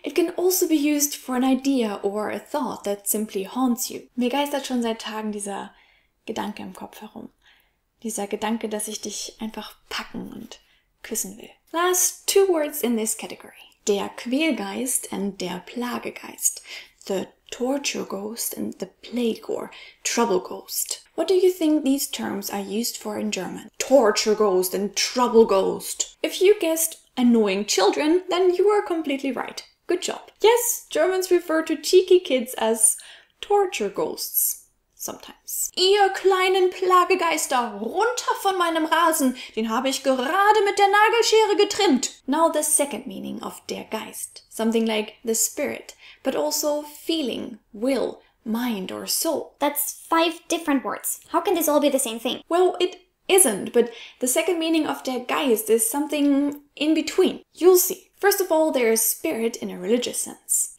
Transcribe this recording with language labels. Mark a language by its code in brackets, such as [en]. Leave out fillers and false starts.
[en] It can also be used for an idea or a thought that simply haunts you. [de] Mir geistert schon seit Tagen dieser Gedanke im Kopf herum. Dieser Gedanke, dass ich dich einfach packen und küssen will. [en] Last two words in this category. Der Quälgeist and der Plagegeist. The torture ghost and the plague or trouble ghost. What do you think these terms are used for in German? Torture ghost and trouble ghost. If you guessed annoying children, then you are completely right. Good job. Yes, Germans refer to cheeky kids as torture ghosts. Sometimes. [de] Ihr kleinen Plagegeister, runter von meinem Rasen! Den habe ich gerade mit der Nagelschere getrimmt! [en] Now the second meaning of der Geist. Something like the spirit, but also feeling, will, mind or soul. That's five different words. How can this all be the same thing? Well, it isn't, but the second meaning of der Geist is something in between. You'll see. First of all, there is spirit in a religious sense.